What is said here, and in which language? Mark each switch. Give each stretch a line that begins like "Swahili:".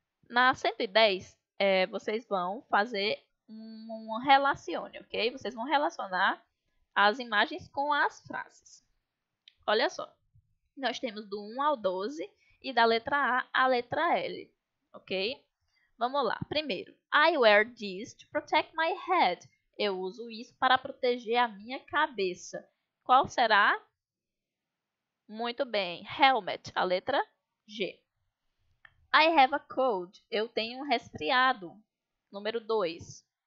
Portuguese: Na 110, vocês vão fazer um relacione, ok? Vocês vão relacionar as imagens com as frases. Olha só. Nós temos do 1 ao 12 e da letra A à letra L, ok? Vamos lá.
English: Primeiro, I wear this to protect my head.
Portuguese: Eu uso isso para proteger a minha cabeça. Qual será? Muito bem.
English: Helmet,
Portuguese: a letra G.
English: I have a cold.
Portuguese: Eu tenho um resfriado. Número 2.